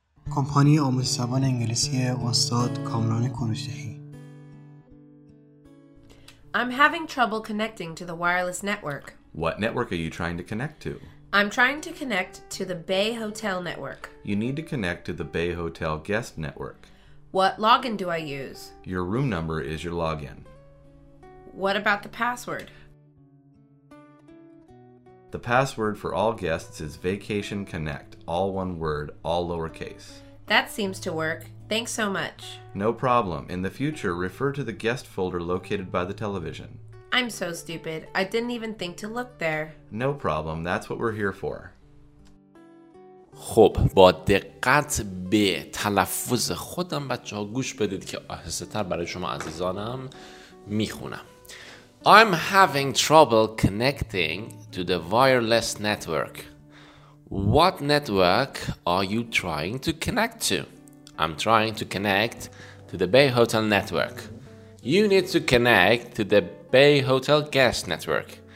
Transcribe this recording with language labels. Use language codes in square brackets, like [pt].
[fa] کمپانی آموزش زبان انگلیسی استاد کامران کوروشی. [en] I'm having trouble connecting to the wireless network. What network are you trying to connect to? I'm trying to connect to the Bay Hotel network. You need to connect to the Bay Hotel guest network. What login do I use? Your room number is your login. What about the password? The password for all guests is Vacation Connect, all one word, all lowercase. That seems to work. Thanks so much. No problem. In the future, refer to the guest folder located by the television. I'm so stupid. I didn't even think to look there. No problem. That's what we're here for. [fa] خب با دقت به تلفظ خودم بچه‌ها گوش بدید که آهسته‌تر برای شما عزیزانم میخونم. [en] I'm having trouble connecting to the wireless network. What network are you trying to connect to? I'm trying to connect to the Bay Hotel network. You need to connect to the Bay Hotel guest network.